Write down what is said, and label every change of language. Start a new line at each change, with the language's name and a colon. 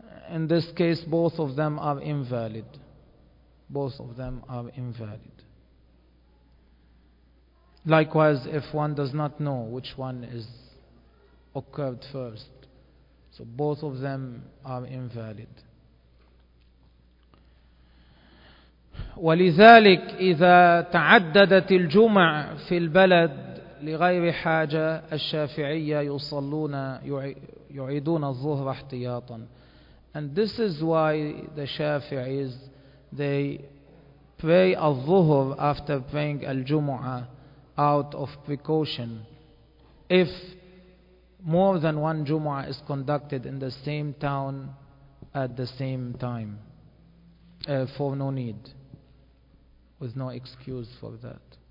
English: In this case, both of them are invalid. Both of them are invalid. Likewise, if one does not know which one is occurred first. So both of them are invalid.
Arabic: ولذلك إذا تعددت الجمع في البلد لغير حاجة الشافعية يصلون يعيدون الظهر احتياطا.
English: And this is why the Shafi'is they pray al-Zuhr after praying al-Jumu'ah out of precaution. If more than one Jumu'ah is conducted in the same town at the same time, for no need, with no excuse for that.